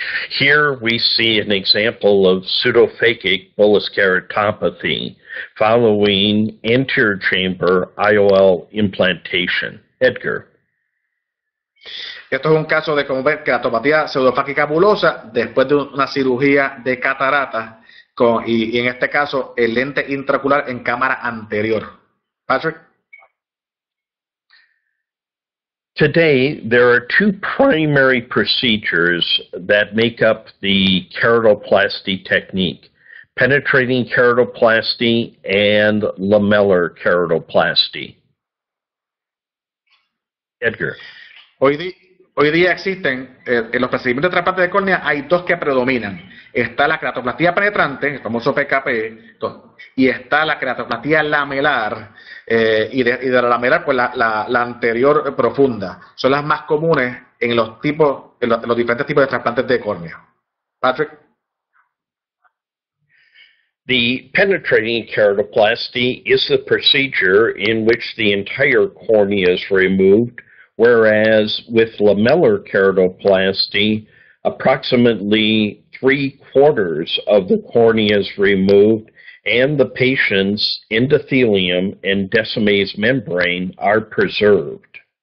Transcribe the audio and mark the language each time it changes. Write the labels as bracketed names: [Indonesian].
[English] Here we see an example of pseudophakic bullous keratopathy following anterior chamber IOL implantation. Edgar. [Spanish] Esto es un caso de como ver keratopatía pseudofáquica bulosa después de una cirugía de catarata y en este caso el lente intraocular en cámara anterior. Patrick. [English] Today, there are two primary procedures that make up the keratoplasty technique: penetrating keratoplasty and lamellar keratoplasty. Edgar. [Spanish] Hoy día existen, en los procedimientos de trasplante de córnea, hay dos que predominan. Está la keratoplastia penetrante, el famoso PKP, y está la keratoplastia lamelar, y de la lamelar, pues la anterior profunda. Son las más comunes en los diferentes tipos de trasplantes de córnea. Patrick. [English] The penetrating keratoplasty is the procedure in which the entire cornea is removed, whereas with lamellar keratoplasty, approximately three-quarters of the cornea is removed and the patient's endothelium and decumbens membrane are preserved.